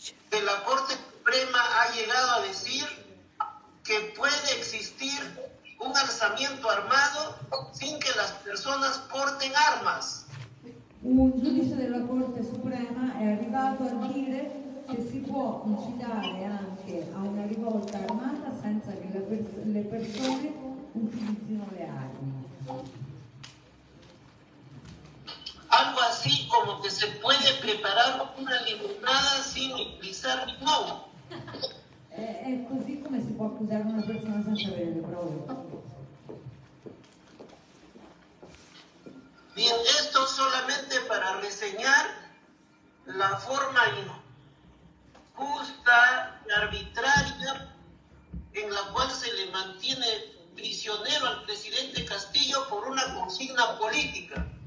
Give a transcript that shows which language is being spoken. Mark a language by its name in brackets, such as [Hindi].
[Spanish] de la Corte Suprema ha llegado a decir que puede existir un alzamiento armado sin que las personas porten armas. [Italian] Un giudice della Corte Suprema è arrivato a dire che si può incitare anche a una rivolta armata senza che le persone utilizzino le armi. [Spanish] Algo así como que se puede preparar una limonada sin utilizar limón. [Italian] È così come si può accusare una persona senza avere le prove. [Spanish] Bien, esto solamente para reseñar la forma injusta y arbitraria en la cual se le mantiene prisionero al presidente Castillo por una consigna política.